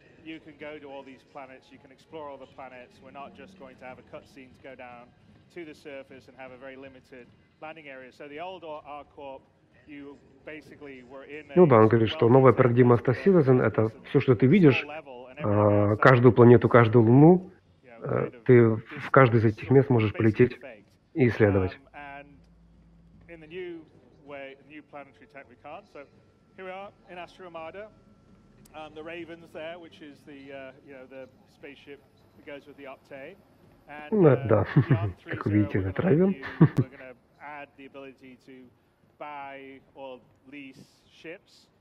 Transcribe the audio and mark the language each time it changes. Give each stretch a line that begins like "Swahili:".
English: You can go to all these planets, you can explore all the planets. We're not just going to have a cutscene to go down to the surface and have a very limited landing area. So the old R-Corp, you basically were in...
Russian: Ну да, он говорит, что новая парадигма Star Citizen — это все, что ты видишь, каждую планету, каждую луну, ты в каждый из этих мест можешь полететь и исследовать.
English: And in the new way, new planetary tech we can. So here we are in Astro Armada. The Ravens there, which is the you know the spaceship that goes with the Octane.
Russian: And как вы видите, это Raven.
English: We're going to add the ability to buy or lease ships.